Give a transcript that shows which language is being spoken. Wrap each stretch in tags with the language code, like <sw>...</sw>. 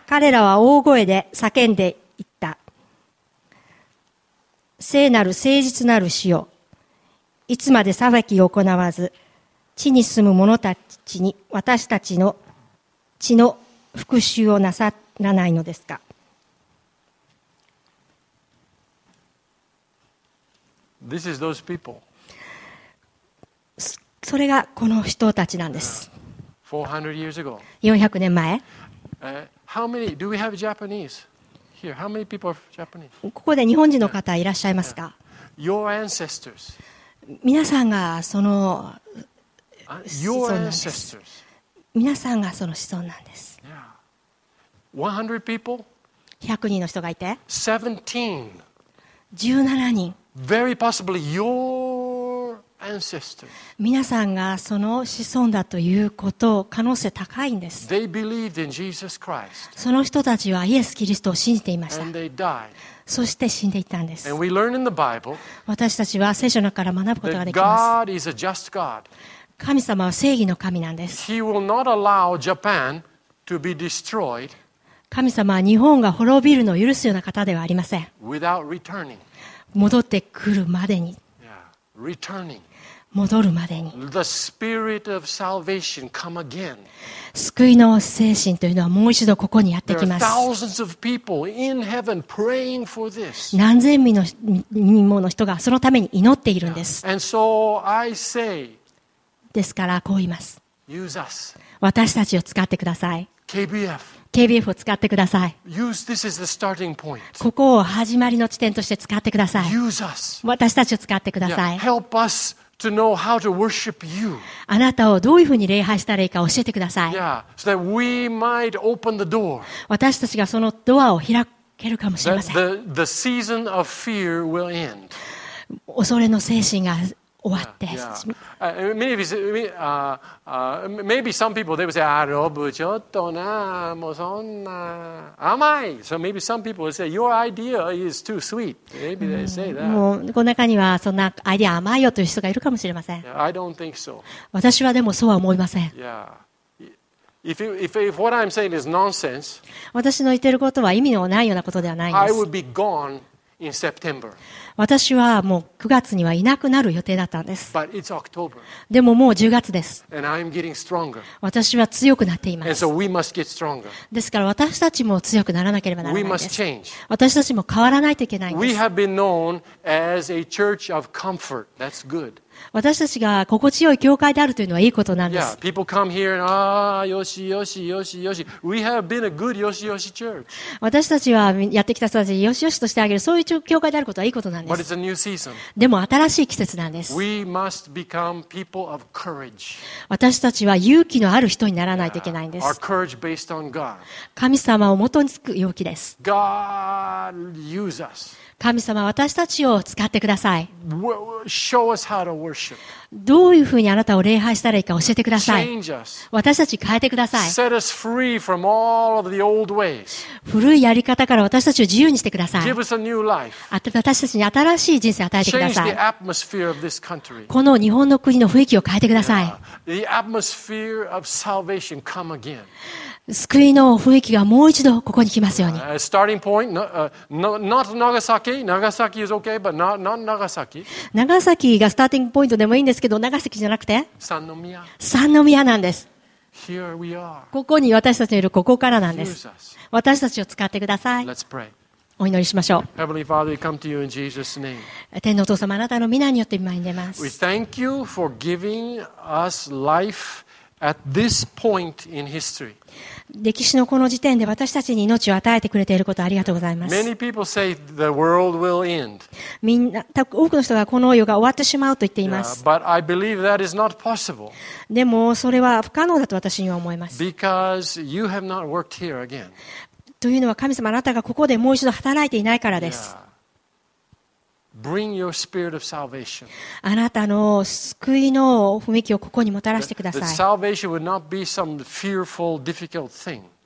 <ja>彼らは大声で叫んで聖なる誠実なる主よ、いつまで裁きを行わず、地に住む者たちに私たちの血の復讐をなさらないのですか。</ja> <en>This is those people.</en> <ja>それがこの人たちなんです。</ja> <en>400 years ago.</en> <ja>400年前。</ja> <en>How many do we have Japanese? Here, how many people are Japanese?</en> <ja>ここで日本人の方いらっしゃいますか。</ja> <en>Your ancestors.</en> <ja>皆さんがその子孫なんです。</ja> <en>Your ancestors. 100 people?</en> <ja>100人の人がいて。</ja> <en>17</en> <ja>人。</ja> <en>Very possibly your ancestors.</en> <ja>皆さんがその子孫だということ可能性高いんです。</ja> <en>They believed in Jesus Christ.</en> <ja>その人たちはイエス・キリストを信じていました。</ja> <en>And they died.</en> <ja>そして死んでいったんです。</ja> <en>And we learn in the Bible.</en> <ja>私たちは聖書の中から学ぶことができます。</ja> <en>God is a just God.</en> <ja>神様は正義の神なんです。</ja> <en>He will not allow Japan to be destroyed.</en> <ja>神様は日本が滅びるのを許すような方ではありません。</ja> <en>Without returning.</en> <ja>戻ってくるまでに。</ja> <en>Yeah. Returning.</en> <ja>戻るまでに。</ja> <en>The spirit of salvation come again.</en> <ja>救いの精神というのはもう一度ここにやってきます。</ja> <en>There are thousands of people in heaven praying for this.</en> <ja>何千人もの人がそのために祈っているんです。</ja> <en>And so I say,</en> <ja>ですからこう言います。</ja> <en>Use us.</en> <ja>私たちを使ってください。</ja> <en>KBF</en> <ja>を使ってください。</ja> <en>Use this as the starting point.</en> <ja>ここを始まりの地点として使ってください。</ja> <en>Use us.</en> <ja>私たちを使ってください。</ja> <en>Help usTo know how to worship you.</en> <ja>あなたをどういうふうに礼拝したらいいか教えてください。</ja> <en>Yeah, so that we might open the door.</en> <ja>私たちがそのドアを開けるかもしれません。</ja> <en>The season of fear will end.</en> <ja>恐れの精神が終わって。</ja> <en>Yeah, yeah. Maybe some people they would say, ah, Rob,</en> <ja>ちょっとな、もうそんな、甘い。</ja> <en>So maybe some people would say, your idea is too sweet. Maybe they say that.</en> <ja>もうこの中にはそんなアイデア甘いよという人がいるかもしれません。</ja> <en>Yeah, I don't think so.</en> <ja>私はでもそうは思いません。</ja> <en>Yeah. If what I'm saying is nonsense,</en> <ja>私の言ってることは意味のないようなことではないんです。</ja> <en>I would be gone in September.</en> <ja>私はもう9月にはいなくなる予定だったんです。</ja> <en>But it's October.</en> <ja>でももう10月です。</ja> <en>And I'm getting stronger.</en> <ja>私は強くなっています。</ja> <en>And so we must get stronger.</en> <ja>ですから私たちも強くならなければならないです。</ja> <en>We must change.</en> <ja>私たちも変わらないといけないんです。</ja> <en>We have been known as a church of comfort. That's good.</en> <ja>私たちが心地よい教会であるというのはいいことなんです。</ja> <en>Yeah, people come here and, ah,</en> <ja>よしよしよしよし。</ja> <en>We have been a good よしよし church.</en> <ja>私たちはやってきた人たちによしよしとしてあげる、そういう教会であることはいいことなんです。</ja> <en>But it's a new season.</en> <ja>でも新しい季節なんです。</ja> <en>We must become people of courage.</en> <ja>私たちは勇気のある人にならないといけないんです。</ja> <en>Our courage based on God.</en> <ja>神様を元につく勇気です。</ja> <en>God use us.</en> <ja>神様、私たちを使ってください。</ja> <en>Show us how to worship.</en> <ja>どういうふうにあなたを礼拝したらいいか教えてください。</ja> <en>Change us.</en> <ja>私たち変えてください。</ja> <en>Set us free from all of the old ways.</en> <ja>古いやり方から私たちを自由にしてください。</ja> <en>Give us a new life.</en> <ja>私たちに新しい人生を与えてください。</ja> <en>Change the atmosphere of this country.</en> <ja>この日本の国の雰囲気を変えてください。</ja> <en>The atmosphere of salvation come again.</en> <ja>救いの雰囲気がもう一度ここに来ますように。</ja> <en>Starting point, not Nagasaki. Nagasaki is okay, but not Nagasaki.</en> <ja>長崎がスターティングポイントでもいいんですけど、長崎じゃなくて？三宮。三宮なんです。</ja> <en>Here we are.</en> <ja>ここに私たちのいるここからなんです。私たちを使ってください。</ja> <en>Let's pray.</en> <ja>お祈りしましょう。</ja> <en>Heavenly Father, we come to you in Jesus' name.</en> <ja>天のお父様、あなたの御名によって今祈ります。</ja> <en>We thank you for giving us life. At this point in history.</en> <ja>歴史のこの時点で私たちに命を与えてくれていることありがとうございます。</ja> <en>Many people say the world will end.</en> <ja>みんな、多くの人がこの世が終わってしまうと言っています。</ja> <en>But I believe that is not possible.</en> <ja>でもそれは不可能だと私には思います。</ja> <en>Because you have not worked here again.</en> <ja>というのは神様、あなたがここでもう一度働いていないからです。</ja> <en>Yeah. Bring your spirit of salvation.</en> <ja>あなたの救いの雰囲気をここにもたらしてください。</ja> <en>That salvation would not be some fearful, difficult thing.</en>